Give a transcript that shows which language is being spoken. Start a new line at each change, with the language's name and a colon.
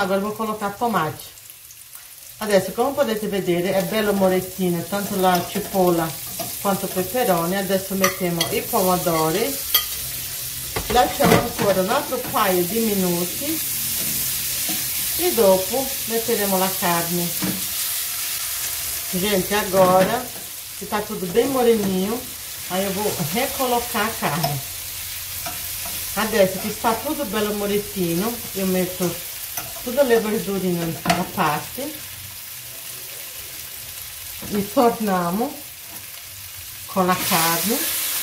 Portuguese: Agora eu vou colocar tomate.
Italian: Adesso, como podete vedere, é bello moretino, tanto la cipolla quanto o peperone. Adesso mettiamo i pomodori. Lasciamo ancora un altro paio di minuti e dopo metteremo la carne.
Portuguese: Gente, agora che tá tudo bem moreninho, aí eu vou recolocar a carne.
Italian: Adesso che sta tudo bello moretino, io metto tutte le verdurine a parte e torniamo con la carne.